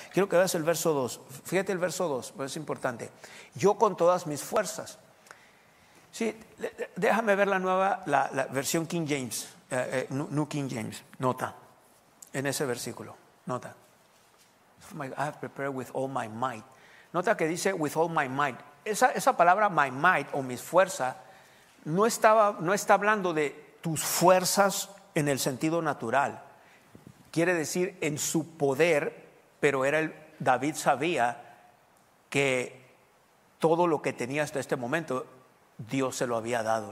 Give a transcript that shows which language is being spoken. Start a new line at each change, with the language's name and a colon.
Spanish: Quiero que veas el verso 2. Fíjate el verso 2, pero es importante. Yo con todas mis fuerzas. Sí, déjame ver la nueva, la versión King James, New King James. Nota en ese versículo. Nota.
English: I have prepared with all my might.
Spanish: Nota que dice
English: with all my might.
Spanish: Esa palabra
English: my might
Spanish: o mis fuerzas no está hablando de tus fuerzas en el sentido natural. Quiere decir en su poder, pero David sabía que todo lo que tenía hasta este momento, Dios se lo había dado.